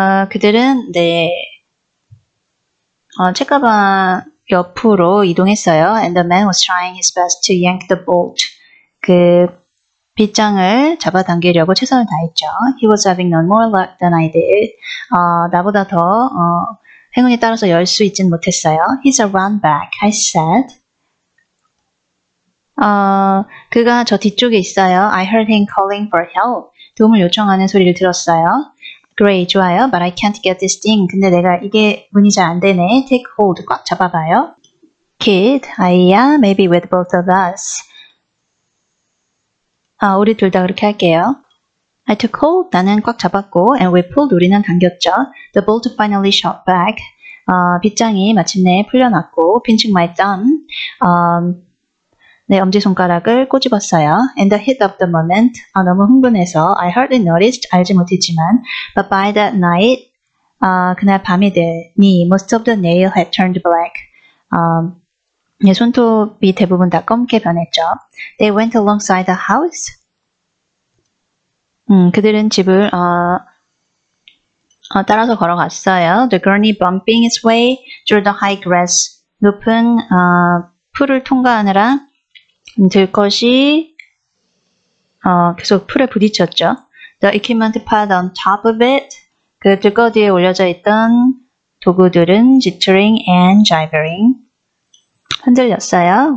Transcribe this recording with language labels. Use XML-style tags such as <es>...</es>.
<ko>그들은 내 책가방 옆으로 이동했어요.</ko> <en>And the man was trying his best to yank the bolt.</en> <ko>그 빗장을 잡아당기려고 최선을 다했죠.</ko> <en>He was having no more luck than I did.</en> <ko>나보다 더 행운이 따라서 열 수 있진 못했어요.</ko> <en>He's a run back, I said.</en> <ko>그가 저 뒤쪽에 있어요.</ko> <en>I heard him calling for help.</en> <ko>도움을 요청하는 소리를 들었어요.</ko> <en>Great,</en> <ko>좋아요.</ko> <en>But I can't get this thing.</en> <ko>근데 내가 이게 문이 잘 안 되네.</ko> <en>Take hold,</en> <ko>꽉 잡아봐요.</ko> <en>Kid,</en> <ko>아이야,</ko> <en>maybe with both of us.</en> <ko>우리 둘 다 그렇게 할게요.</ko> <en>I took hold,</en> <ko>나는 꽉 잡았고,</ko> <en>and we pulled,</en> <ko>우리는 당겼죠.</ko> <en>The bolt finally shot back.</en> <ko>빗장이 마침내 풀려났고,</ko> <en>pinching my thumb,</en> <ko>내 엄지손가락을 꼬집었어요.</ko> <en>And the heat of the moment,</en> <ko>너무 흥분해서,</ko> <en>I hardly noticed,</en> <ko>알지 못했지만,</ko> <en>but by that night,</en> <ko>그날 밤이 되니,</ko> <en>most of the nail had turned black.</en> <ko>내 손톱이 대부분 다 검게 변했죠.</ko> <en>They went alongside the house.</en> <ko>그들은 집을 따라서 걸어갔어요.</ko> <en>The gurney bumping its way through the high grass.</en> <ko>높은 풀을 통과하느라 들것이 계속 풀에 부딪혔죠.</ko> <en>The equipment piled on top of it.</en> <ko>그 들거리에 올려져 있던 도구들은</ko> <en>jittering and jibbering.</en> <ko>흔들렸어요.</ko>